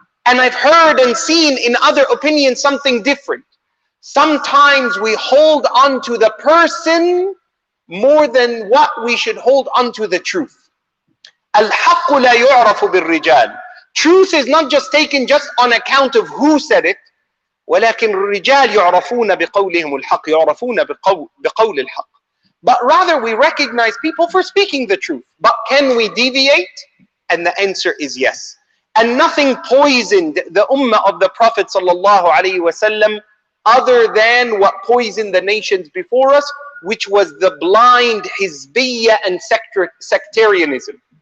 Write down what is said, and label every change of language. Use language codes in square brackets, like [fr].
[en] And I've heard and seen in other opinions something different. Sometimes we hold on to the person more than what we should hold on to the truth. Al-haqqu la yu'rafu bil-rijal. Truth is not just taken just on account of who said it. [ar] ولكن الرجال يعرفون بقولهم الحق يعرفون بقول الحق. [en] But rather we recognize people for speaking the truth. But can we deviate? And the answer is yes. And nothing poisoned the ummah of the Prophet sallallahu alaihi wasallam other than what poisoned the nations before us, which was the blind hizbiyyah and sectarianism.